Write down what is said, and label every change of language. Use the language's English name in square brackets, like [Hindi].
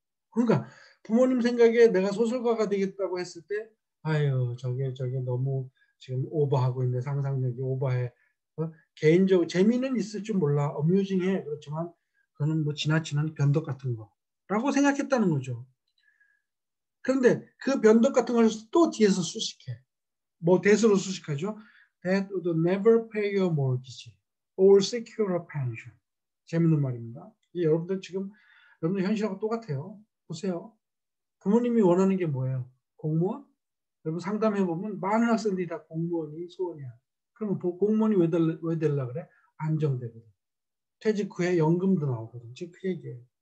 [Korean] 그러니까 부모님 생각에 내가 소설가가 되겠다고 했을 때, 아유, 저게 너무 지금 오버하고 있네. 상상력이 오버해. 개인적으로 재미는 있을지 몰라. 어뮤징해. 그렇지만 그거는 뭐 지나치는 변덕 같은 거라고 생각했다는 거죠. 그런데 그 변덕 같은 걸또 뒤에서 수식해. 뭐 대수로 수식하죠. [English] That would never pay your mortgage or secure a pension. [Korean] 재밌는 말입니다. 여러분들 지금 여러분들 현실하고 똑같아요. 보세요. 부모님이 원하는 게 뭐예요? 공무원? 여러분 상담해 보면 많은 학생들이 다 공무원이 소원이야. 그러면 공무원이 왜 되려고 그래? 안정되거든. 퇴직 후에 연금도 나오거든. 지금 그 얘기예요.